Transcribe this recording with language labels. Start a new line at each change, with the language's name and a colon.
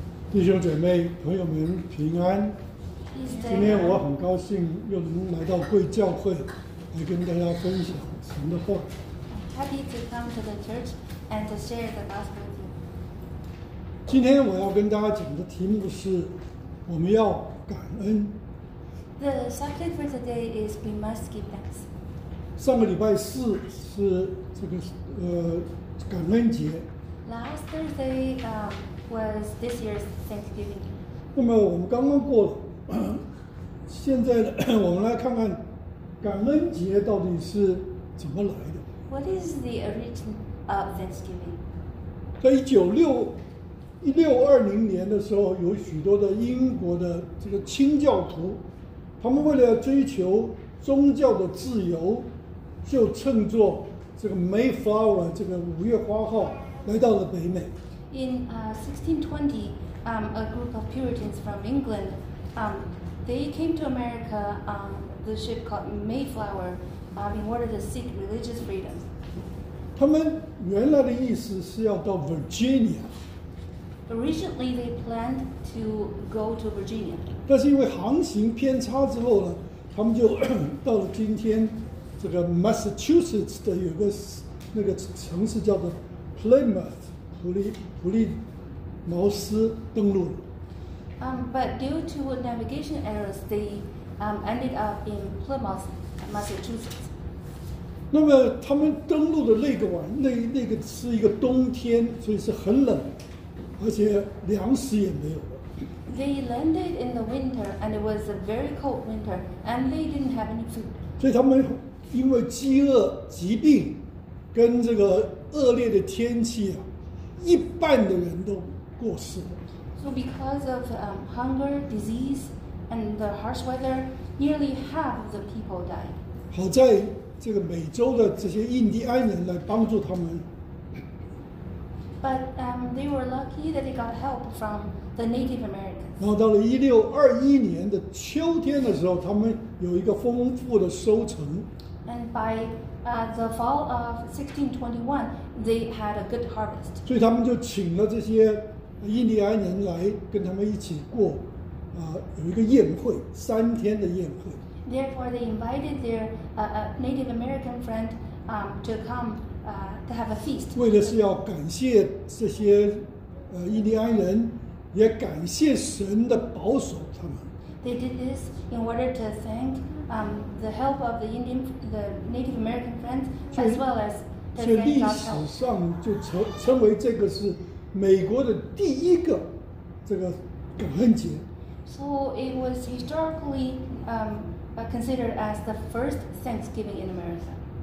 Chinese: 弟兄姐妹朋友们平安，今天我很高兴又能来到贵教会来跟大家分享神的话。
English: Happy to come to the church and to share the gospel with you.
Chinese: 今天我要跟大家讲的题目是我们要感恩。
English: The subject for today is we must give thanks.
Chinese: 上个礼拜四是这个感恩节。
English: Last Thursday was this year's Thanksgiving.
Chinese: 那么我们刚刚过了，现在我们来看看感恩节到底是怎么来的。
English: What is the origin of Thanksgiving?
Chinese: 在1620年的时候，有许多的英国的这个清教徒，他们为了追求宗教的自由，就乘坐这个 Mayflower 这个五月花号来到了北美。
English: In 1620, a group of Puritans from England, they came to America on the ship called Mayflower, in order to seek religious freedom.
Chinese: 他们原来的意思是要到 Virginia.
English: Originally, they planned to go to Virginia.
Chinese: 但是因为航行偏差之后呢，他们就到了今天这个 Massachusetts 的有个那个城市叫做 Plymouth。普利茅斯登陆。
English: But due to navigation errors, they ended up in Plymouth, Massachusetts.
Chinese: 那么他们登陆的那个是一个冬天，所以是很冷，而且粮食也没有。
English: They landed in the winter, and it was a very cold winter, and they didn't have any food.
Chinese: 所以他们因为饥饿、疾病，跟这个恶劣的天气啊。一半的人都过世了。
English: So because of hunger, disease, and the harsh weather, nearly half of the people died.
Chinese: 好在这个美洲的这些印第安人来帮助他们。
English: But they were lucky that they got help from the Native Americans.
Chinese: 然后到了1621年的秋天的时候，他们有一个丰富的收成。
English: And by the fall of 1621, they had a good harvest.
Chinese: 所以他们就请了这些印第安人来跟他们一起过，有一个宴会，三天的宴会。
English: Therefore, they invited their Native American friend to come to have a feast.
Chinese: 为的是要感谢这些印第安人，也感谢神的保守他们。
English: They did this in order to thank the help of the Native American friends, as well as the thank God's help.
Chinese: 所以历史上就称为这个是美国的第一个这个感恩节。
English: So it was historically considered as the first Thanksgiving in America.